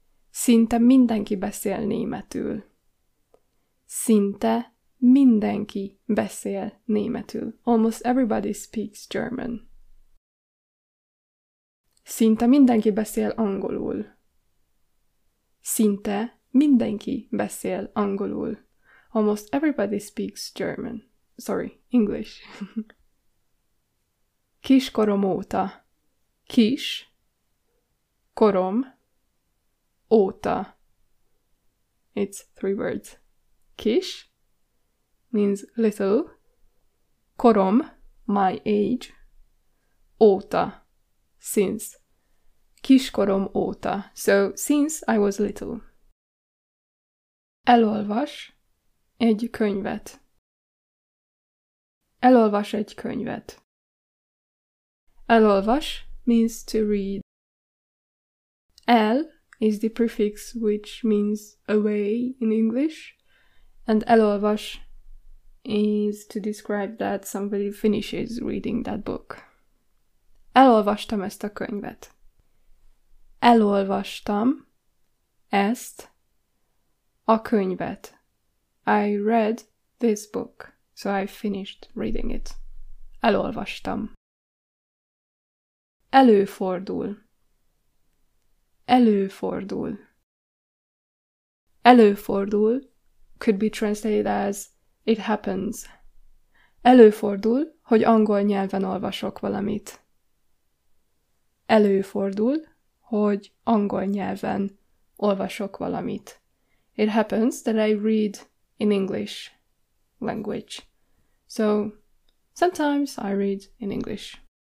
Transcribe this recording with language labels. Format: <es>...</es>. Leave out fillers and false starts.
<hu>Szinte mindenki beszél németül. Szinte mindenki beszél németül.</hu> <en>Almost everybody speaks German.</en> <hu>Szinte mindenki beszél angolul. Szinte mindenki beszél angolul.</hu> <en>Almost everybody speaks German. Sorry, English.</en> <hu>Kiskorom óta. Kis. Korom. Óta.</hu> <en>It's three words. Kis means little. Korom, my age. Óta, since.</en> <hu>Kiskorom óta.</hu> <en>So, since I was little.</en> <hu>Elolvas egy könyvet. Elolvas egy könyvet.</hu> <en>Elolvas means to read. El is the prefix which means away in English. And elolvas is to describe that somebody finishes reading that book.</en> <hu>Elolvastam ezt a könyvet. Elolvastam ezt a könyvet.</hu> <en>I read this book, so I finished reading it. Elolvastam.</en> <hu>Előfordul. Előfordul.</hu> <en>Előfordul could be translated as it happens.</en> <hu>Előfordul, hogy angol nyelven olvasok valamit. Előfordul, hogy angol nyelven olvasok valamit.</hu> <en>It happens that I read in English language. So, sometimes I read in English.</en>